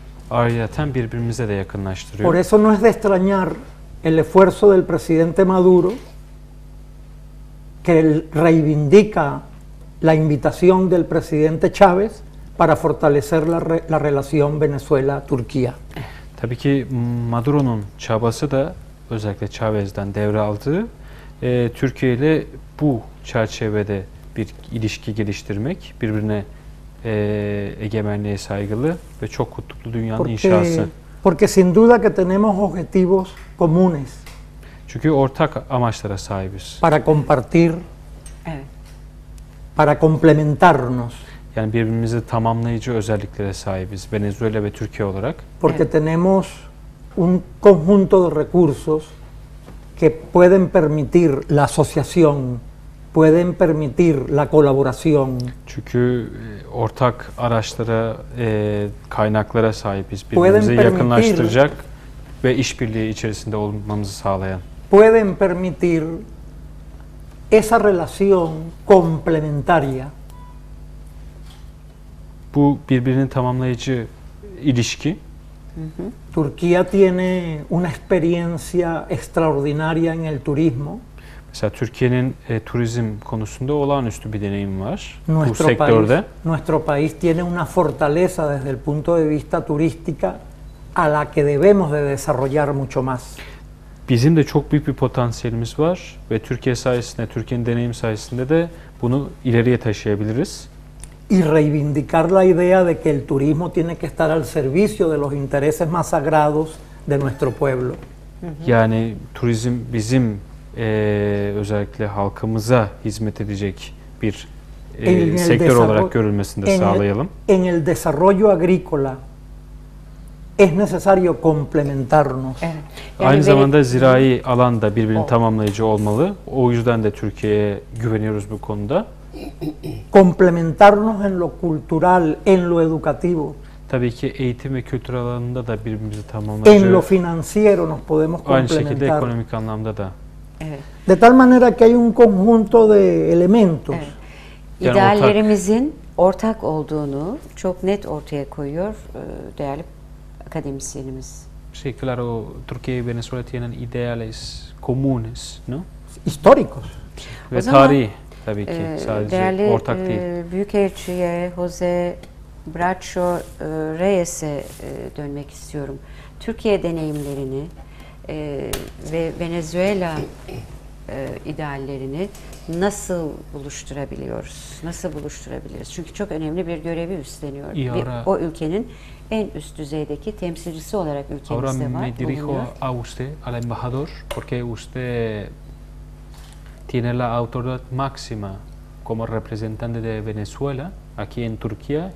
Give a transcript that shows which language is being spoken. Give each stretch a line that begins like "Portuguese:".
Turkish: Ayrıca birbirimize de yakınlaştırıyor.
Spanish: Por eso no es de extrañar el esfuerzo del presidente Maduro que reivindica la invitación del presidente Chávez para fortalecer la relación Venezuela-Turquía.
Turkish: Tabii ki Maduro'nun çabası da özellikle Chávez'den devre aldığı Türkiye ile bu çerçevede bir ilişki geliştirmek, birbirine egemenliğe saygılı ve çok kutuplu dünyanın inşası.
Spanish: Porque sin duda que tenemos objetivos comunes.
Turkish: Çünkü ortak amaçlara sahibiz.
Spanish: Para compartir, para complementarnos.
Turkish: Yani birbirimizi tamamlayıcı özelliklere sahibiz Venezuela ve Türkiye olarak.
Spanish: Porque tenemos un conjunto de recursos que pueden permitir la asociación, pueden permitir la colaboración.
Turkish: Çünkü ortak araçlara, kaynaklara sahibiz. Birbirimizi yakınlaştıracak ve işbirliği içerisinde olmamızı sağlayan.
Spanish: Pueden permitir esa relación complementaria.
Turkish: Bu birbirini tamamlayıcı ilişki.
Spanish: Turquía tiene una experiencia extraordinaria en el turismo.
Turkish: Mesela Türkiye'nin turizm konusunda olağanüstü bir deneyim var.
Spanish: Nuestro
Turkish: bu sektörde.
Spanish: País, nuestro país tiene una fortaleza desde el punto de vista turística a la que debemos de desarrollar mucho más.
Turkish: Bizim de çok büyük bir potansiyelimiz var ve Türkiye sayesinde, Türkiye'nin deneyim sayesinde de bunu ileriye taşıyabiliriz.
Spanish: Y reivindicar la idea de que el turismo tiene que estar al servicio de los intereses más sagrados de nuestro pueblo.
Turkish: Yani turizm bizim özellikle halkımıza hizmet edecek bir sektör olarak görülmesini de sağlayalım.
Spanish: En el desarrollo agrícola es necesario complementarnos.
Turkish: Evet. Yani aynı zamanda zirai alanda birbirini tamamlayıcı olmalı. O yüzden de Türkiye'ye güveniyoruz bu konuda.
Spanish: Complementarnos en lo cultural, en lo educativo.
Turkish: Tabii ki eğitim ve kültür alanında da birbirimizi tamamlayacağız.
Spanish: En lo financiero nos podemos complementar.
Turkish: Aynı şekilde ekonomik anlamda da. Evet.
Spanish: De tal manera que hay un conjunto de elementos.
Turkish: Evet. İdeallerimizin ortak olduğunu çok net ortaya koyuyor değerli akademisyenimiz.
Spanish: Sí, claro, Turquía y Venezuela tienen ideales comunes, ¿no? Históricos.
Turkish: Ve tarihi. Tabii ki sadece değerli, ortak değil. Büyükelçiye Jose Bracho Reyes'e dönmek istiyorum. Türkiye deneyimlerini ve Venezuela ideallerini nasıl buluşturabiliyoruz? Nasıl buluşturabiliriz? Çünkü çok önemli bir görevi üstleniyor. O ülkenin en üst düzeydeki temsilcisi olarak ülkemizde
Spanish: ahora
Turkish: var.
Spanish: Ahora me dirijo a usted, al embajador, porque usted tiene la autoridad máxima como representante de Venezuela aquí en Turquía.